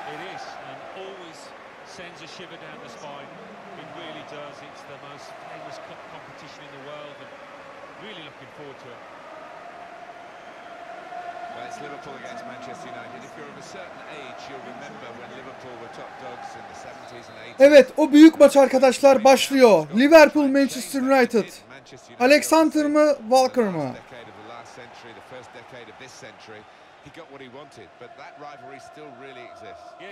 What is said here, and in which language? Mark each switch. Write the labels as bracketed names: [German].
[English] It is, and always sends a shiver down the spine. It really does. It's the most famous cup competition in the world, and really looking forward to it. Well, it's Liverpool against Manchester United. If you're of a certain age, you'll remember when Liverpool were top dogs in the 70s and 80s. [Turkish] Evet, o büyük maç arkadaşlar başlıyor. Liverpool Manchester United. Alexander mı, Walker mı? [English] The last century, the first decade of this century, he got what he wanted, but that rivalry still really exists.